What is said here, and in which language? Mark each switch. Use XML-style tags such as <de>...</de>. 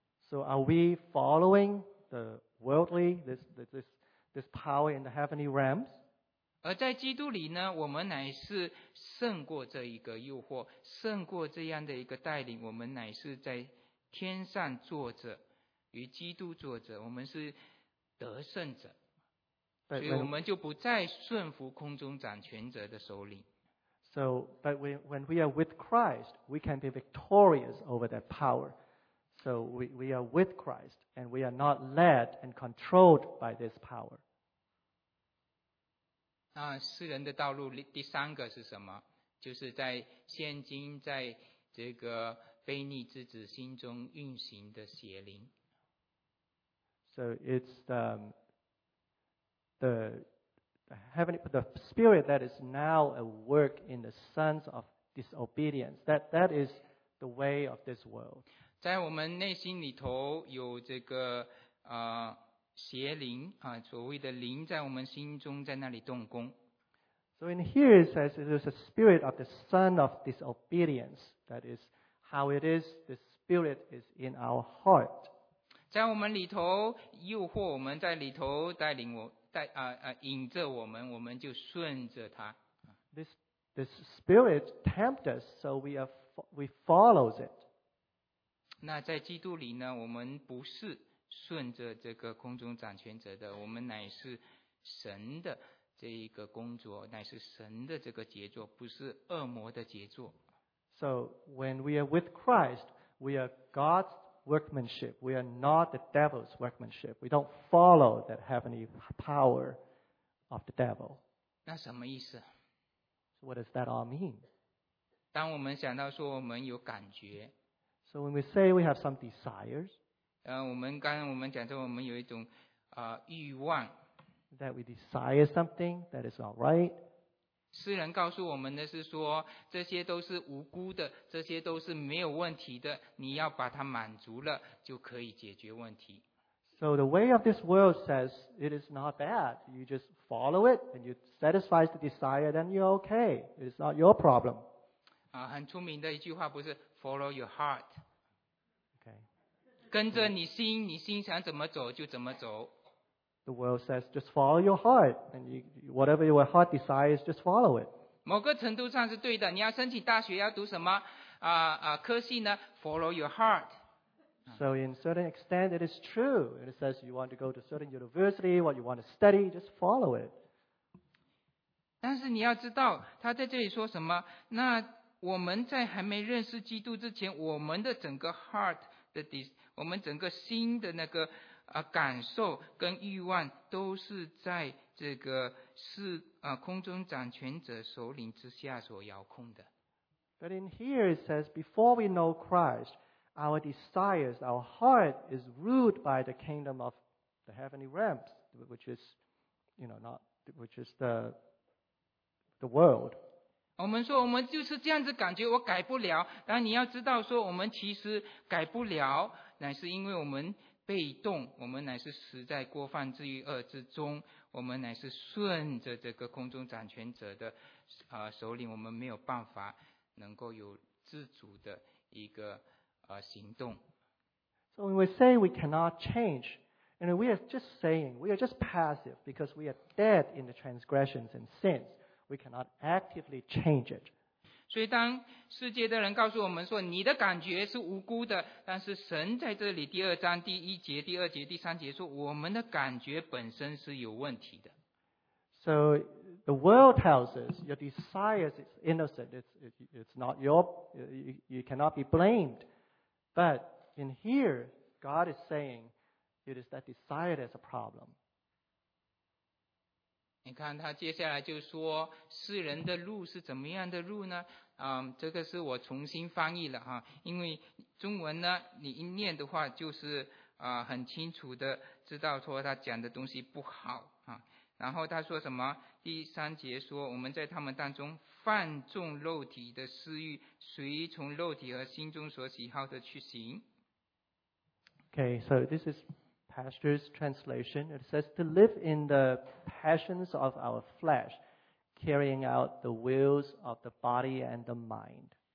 <en>So are we following the worldly this power in the heavenly realms</en> <zh>而在基督里呢我们乃是胜过这一个诱惑胜过这样的一个带领我们乃是在天上坐着与基督坐着我们是得胜者所以我们就不再顺服空中掌权者的首领</zh> <en>So, but when we are with Christ we can be victorious over that power So we are with Christ and we are not led and controlled by this power</en> <zh>那世人的道路第三个是什么就是在现今在这个悖逆之子心中运行的邪灵。</zh> <en>So it's the heavenly the spirit that is now at work in the sons of disobedience. That is the way of this world.</en> <zh>在我们内心里头有这个邪灵啊，所谓的灵在我们心中在那里动工。</zh> <en>So in here it says it is a spirit of the son of disobedience that is. How it is, the spirit is in our heart.</en> <zh>在我们里头诱惑我们在里头带领我带引着我们，我们就顺着他。</zh> <en>This spirit tempts us, so we follows it.</en> <zh>那在基督里呢，我们不是顺着这个空中掌权者的，我们乃是神的这一个工作，乃是神的这个杰作，不是恶魔的杰作。</zh> <en>So when we are with Christ, we are God's workmanship. We are not the devil's workmanship. We don't follow that heavenly power of the devil.</en> <zh>那什么意思</zh> <en>So what does that all mean?</en> <zh>当我们想到说我们有感觉</zh> <en>So when we say we have some desires,</en> <zh>我们刚刚我们讲说我们有一种欲望</zh> <en>that we desire something that is not right,</en> <zh>诗人告诉我们的是说这些都是无辜的这些都是没有问题的你要把它满足了就可以解决问题</zh> <en>So the way of this world says it is not bad you just follow it and you satisfy the desire then you're okay it's not your problem</en> <zh>很出名的一句话不是</zh> <en>follow your heart okay.</en> <zh>跟着你心你心想怎么走就怎么走</zh> <en>The world says, just follow your heart. And whatever your heart desires, just follow it.</en> <zh>某个程度上是对的。你要申请大学要读什么科系呢</zh> <en>Follow your heart. So in certain extent, it is true. It says you want to go to certain university, what you want to study, just follow it.</en> <zh>但是你要知道他在这里说什么那我们在还没认识基督之前我们的整个 heart, 的我们整个心的那个感受跟欲望都是在这个是空中掌权者首领之下所遥控的。</zh> <en>But in here it says, before we know Christ, our desires, our heart is ruled by the kingdom of the heavenly realms, which is, you know, not which is the world.</en> <zh>我们说我们就是这样子感觉，我改不了。但你要知道说，我们其实改不了，乃是因为我们。被动我们乃是实在过犯之于恶之中我们乃是顺着这个空中掌权者的首领我们没有办法能够有自主的一个行动</zh> <en>So when we say we cannot change and we are just saying we are just passive because we are dead in the transgressions and sins we cannot actively change it</en> <zh>所以当世界的人告诉我们说你的感觉是无辜的但是神在这里第二章第一节第二节第三节说我们的感觉本身是有问题的</zh> <en>So the world tells us your desires is innocent it's not your you cannot be blamed but in here God is saying it is that desire that's a problem</en> <zh>你看他接下来就说世人的路是怎么样的路呢？这个是我重新翻译了哈，因为中文呢你一念的话就是很清楚的知道说他讲的东西不好啊。然后他说什么，第三节说我们在他们当中放纵肉体的私欲，随从肉体和心中所喜好的去行。</zh> <en>Okay, so this is Pastor's translation. It says to live in the passions of our flesh, carrying out the wills of the body and the mind.</en>